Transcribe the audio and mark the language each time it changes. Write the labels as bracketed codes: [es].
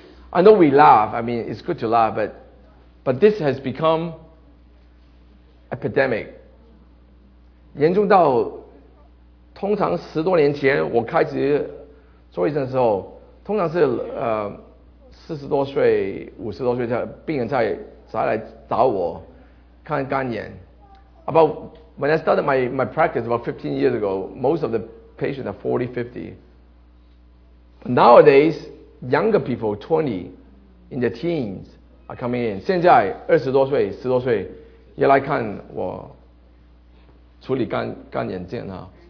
[en] I know we laugh, I mean, it's good to laugh, but this has become epidemic. [zh] 严重到通常10多年前我开始做医生的时候，通常是40多岁、50多岁的病人才来找我看干眼。 [en] About when I started my practice about 15 years ago, most of the patients are 40, 50. But nowadays,younger people, 20, in their teens, are coming in. [zh] 现在20多岁、10多岁也来看我处理干眼症啊。